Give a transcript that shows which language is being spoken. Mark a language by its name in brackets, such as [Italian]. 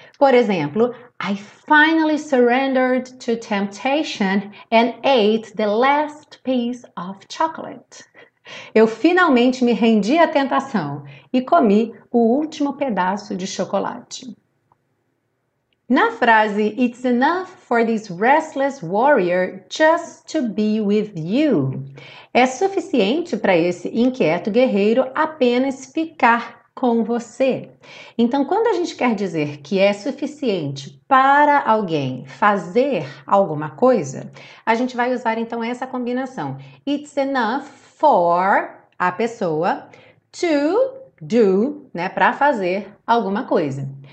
[Portuguese] Por exemplo, [English] I finally surrendered to temptation and ate the last piece of chocolate. [Portuguese] Eu finalmente me rendi à tentação e comi o último pedaço de chocolate. Na frase, [English] it's enough for this restless warrior just to be with you. [Portuguese] É suficiente para esse inquieto guerreiro apenas ficar com você. Então, quando a gente quer dizer que é suficiente para alguém fazer alguma coisa, a gente vai usar então essa combinação. [English] It's enough for a [Portuguese] pessoa [English] to do, [Portuguese] né, para fazer alguma coisa.